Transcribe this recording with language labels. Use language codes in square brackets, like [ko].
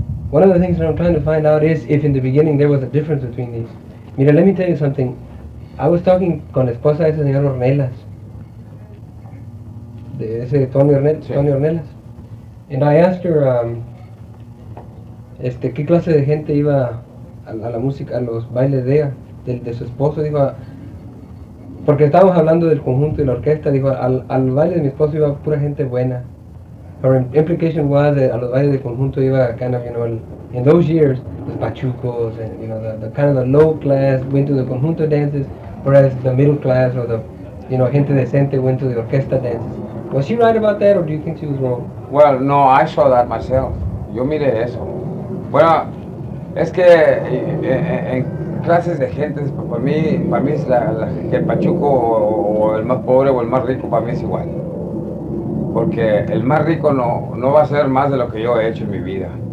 [en] One of the things that I'm trying to find out is if in the beginning there was a difference between these. Mira, let me tell you something. I was talking [es] con la esposa de ese señor Ornelas, de ese Tony Ornelas. [en] And I asked her, [es] qué clase de gente iba a la música, a los bailes de ella, de su esposo. Dijo, porque estábamos hablando del conjunto y la orquesta, dijo, al baile de mi esposo iba pura gente buena. [en] Her implication was that [es] a los bailes de conjunto iba [en] kind of, you know, in those years, [es] los pachucos, [en] and, you know, the kind of the low class went to the conjunto dances, whereas the middle class or the, you know, [es] gente decente [en] went to the orquesta dances. Was she right about that, or do you think she was wrong? Well, no, I saw that myself. [es] Yo miré eso. Bueno, es que en clases de gente, para mí es la que el pachuco o el más pobre o el más rico, para mí es igual. Porque el más rico no va a ser más de lo que yo he hecho en mi vida.